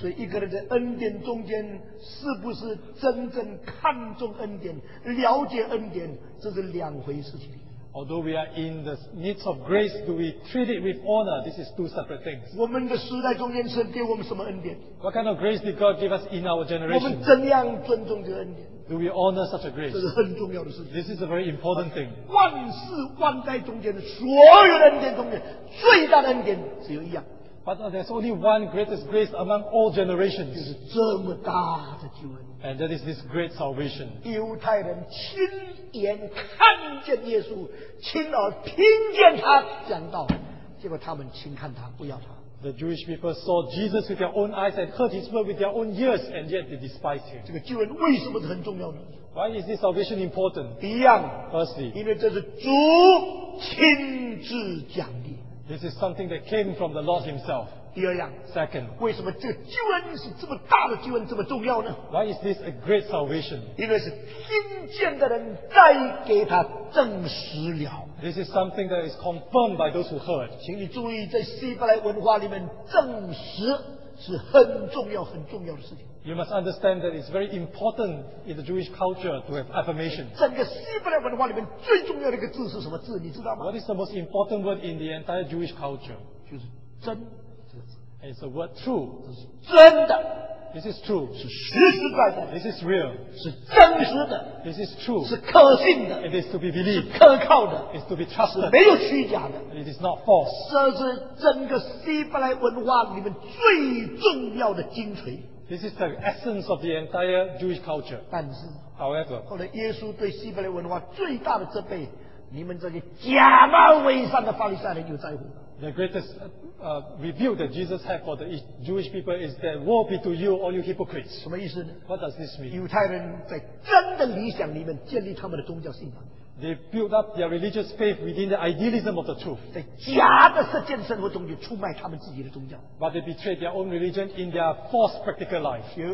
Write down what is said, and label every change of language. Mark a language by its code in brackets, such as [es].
[zh] 所以一个人在恩典中间是不是真正看重恩典了解恩典这是两回事情 [en] Although we are in the needs of grace do we treat it with honor this is 2 separate things [zh] 我们的时代中间神给我们什么恩典 [en] What kind of grace did God give us in our generation [zh] 我们怎样尊重这个恩典 [en] Do we honor such a grace [zh] 这是很重要的事情 [en] This is a very important thing [zh] 万事万代中间所有的恩典中间最大的恩典只有一样 [en] But there's only one greatest grace among all generations [zh] 就是这么大的救恩 [en] And that is this great salvation [zh] 犹太人亲眼看见耶稣亲耳听见他讲道结果他们轻看他不要他 [en] The Jewish people saw Jesus with their own eyes and heard his word with their own ears and yet they despised him [zh] 这个救恩为什么很重要呢 [en] Why is this salvation important? [zh] 一样 [en] Firstly [zh] 因为这是主亲自讲的 [en] This is something that came from the Lord Himself. [zh] 第二样 [en] Second, [zh] 为什么这个救恩是这么大的救恩这么重要呢 [en] Why is this a great salvation? [zh] 因为是听见的人再给他证实了 [en] This is something that is confirmed by those who heard. [zh] 请你注意在希伯来文化里面证实是很重要很重要的事情 [en] You must understand that it's very important in the Jewish culture to have affirmation [zh] 整个希伯来文化里面最重要的一个字是什么字你知道吗 [en] What is the most important word in the entire Jewish culture [zh] 就是真这个字 [en] And it's the word true. [zh] 是真的, [en] this is true. [zh] 是实实在在的, [en] this is real. [zh] 是真实的, [en] this is true. [zh] 是可信的, [en] it is to be believed. [zh] 是可靠的, [en] it is to be trusted. [zh] 是没有虚假的, [en] and it is not false. [zh] 这是整个希伯来文化里面最重要的精髓。 [en] This is the essence of the entire Jewish culture. [zh] 但是, [en] However, [zh] 后来耶稣对希伯来文化最大的责备, 你们这个假冒伪善的法利赛人有在乎。 [en] The greatest review that Jesus had for the Jewish people is that woe be to you, all you hypocrites. [zh] 什么意思呢? [en] What does this mean? [zh] 犹太人在真的理想里面建立他们的宗教信仰。 [en] They build up their religious faith within the idealism of the truth. [zh] 在假的实践生活中就出卖他们自己的宗教。 [en] But they betrayed their own religion in their false practical life.